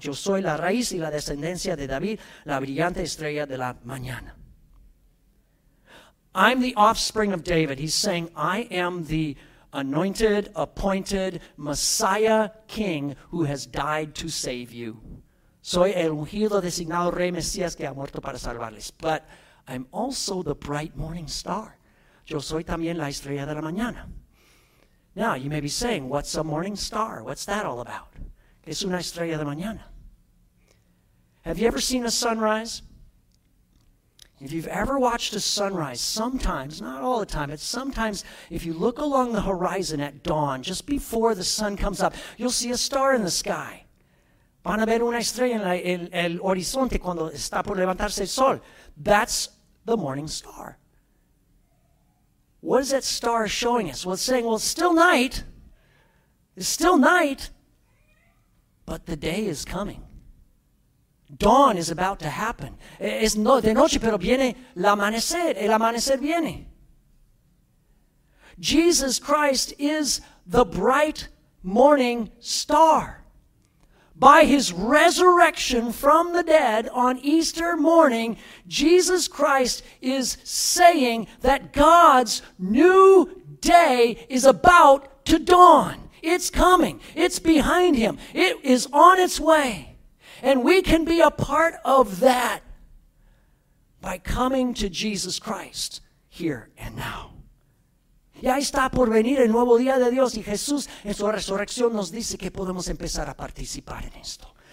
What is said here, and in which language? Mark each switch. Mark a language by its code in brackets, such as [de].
[es] Yo soy la raíz y la descendencia de David, la brillante estrella de la mañana. [en] I'm the offspring of David. He's saying, I am the anointed, appointed Messiah king who has died to save you. [es] Soy el ungido designado rey Mesías que ha muerto para salvarles. [en] But I'm also the bright morning star. [es] Yo soy también la estrella de la mañana. [en] Now, you may be saying, what's a morning star? What's that all about? [es] Es una estrella de mañana. [en] Have you ever seen a sunrise? If you've ever watched a sunrise, sometimes, not all the time, but sometimes if you look along the horizon at dawn, just before the sun comes up, you'll see a star in the sky. [es] Van a ver una estrella en el horizonte cuando está por levantarse el sol. [en] That's the morning star. What is that star showing us? Well, it's saying, well, it's still night, but the day is coming. Dawn is about to happen. [es] Es de noche, pero viene el amanecer viene. [en] Jesus Christ is the bright morning star. By his resurrection from the dead on Easter morning, Jesus Christ is saying that God's new day is about to dawn. It's coming. It's behind him. It is on its way. And we can be a part of that by coming to Jesus Christ here and now. [es] Ya está por venir el nuevo día de Dios y Jesús en su resurrección nos dice que podemos empezar a participar en esto.